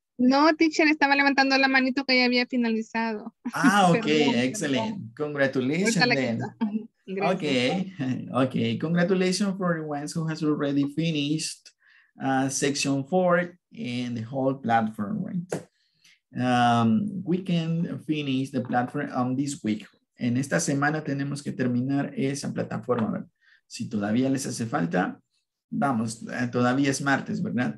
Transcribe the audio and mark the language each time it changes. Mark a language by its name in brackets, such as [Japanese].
[Spanish] No, teacher, estaba levantando la manito que ya había finalizado. [English] Ah, ok, excellent. Congratulations then. Okay, congratulations for everyone who has already finished section 4 and the whole platform, right? We can finish the platform on this week. [Spanish] En esta semana tenemos que terminar esa plataforma. Si todavía les hace falta, vamos, todavía es martes, ¿verdad?